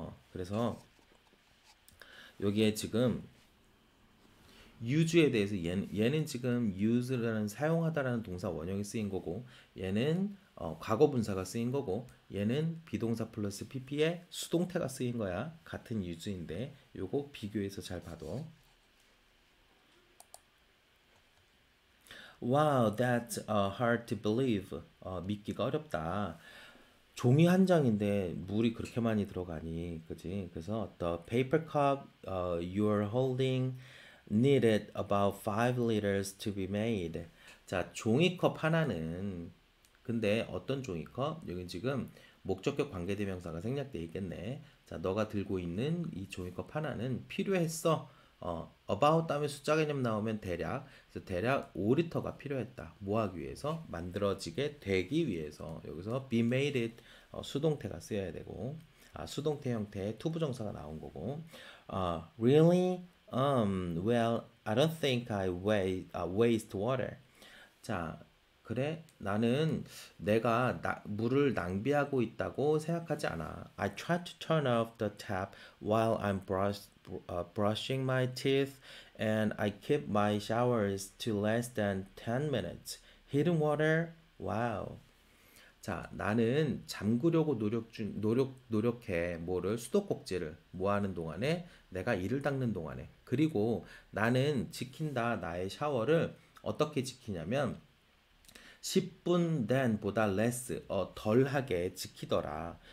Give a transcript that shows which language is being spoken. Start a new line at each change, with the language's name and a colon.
Korean: 그래서 여기에 지금 use에 대해서 얘는 지금 use라는 사용하다라는 동사 원형이 쓰인 거고, 얘는 과거 분사가 쓰인 거고, 얘는 비동사 플러스 PP의 수동태가 쓰인 거야. 같은 use인데 요거 비교해서 잘 봐둬.
English: Wow, that's hard to believe.
Korean: 믿기가 어렵다. 종이 한 장인데 물이 그렇게 많이 들어가니, 그지? 그래서
English: the paper cup you're holding needed about 5 liters to be made.
Korean: 자, 종이컵 하나는, 근데 어떤 종이컵? 여긴 지금 목적격 관계대명사가 생략돼 있겠네. 자, 너가 들고 있는 이 종이컵 하나는 필요했어. about 다음에 숫자 개념 나오면 대략, 그래서 대략 5리터가 필요했다. 뭐 하기 위해서? 만들어지게 되기 위해서. 여기서 be made it 수동태가 쓰여야 되고, 수동태 형태의 투부정사가 나온 거고.
English: Really? Well, I don't think I waste water.
Korean: 자, 그래? 나는 내가 물을 낭비하고 있다고 생각하지 않아.
English: I try to turn off the tap while I'm brushing my teeth, and I keep my showers to less than 10 minutes. Hidden water? Wow.
Korean: 자, 나는 잠그려고 노력해. 뭐를? 수도꼭지를. 뭐 하는 동안에? 내가 이를 닦는 동안에. 그리고 나는 지킨다. 나의 샤워를 어떻게 지키냐면 10분 then 보다 less, 덜하게 지키더라.